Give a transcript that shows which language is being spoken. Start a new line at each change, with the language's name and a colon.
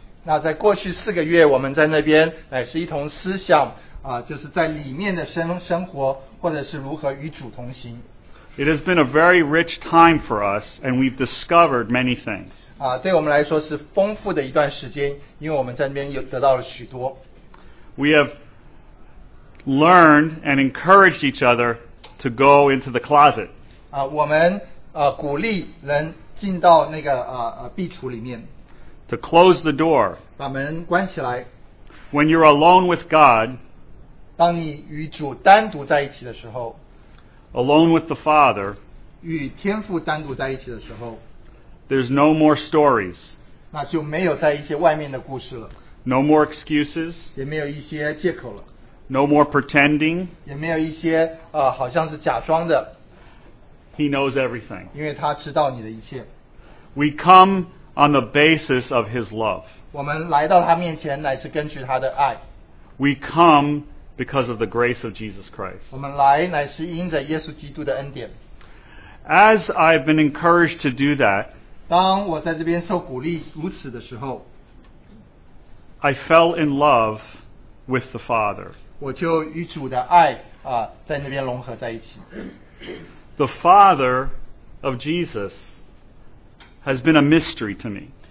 Chinese: 那在过去四个月我们在那边乃是一同思想啊，就是在里面的生活或者是如何与主同行。
English: It has been a very rich time for us, and we've discovered many things.
Chinese: 啊，对我们来说是丰富的一段时间，因为我们在那边有得到了许多。
English: We have learned and encouraged each other to go into the closet.
Chinese: 啊，我们鼓励人进到那个壁橱里面。
English: To close the door.
Chinese: 把门关起来。
English: When you're alone with God.
Chinese: 当你与主单独在一起的时候。
English: Alone with the Father,
Chinese: 与天父单独在一起的时候,
English: there's no more stories.
Chinese: 那就没有在一些外面的故事了,
English: no more excuses.
Chinese: 也没有一些借口了,
English: no more pretending.
Chinese: 也没有一些, 好像是假装的,
English: He knows everything.
Chinese: 因为他知道你的一切。
English: We come on the basis of His love.
Chinese: 我们来到他面前乃是根据他的爱。
English: We come because of the grace of Jesus Christ.
Chinese: 我们来乃是因着耶稣基督的恩典。
English: As I've been encouraged to do that,
Chinese: 当我在这边受鼓励如此的时候,
English: I fell in love with the Father.
Chinese: 我就与主的爱, 在那边融合在一起。
English: The Father of Jesus has been a mystery to me.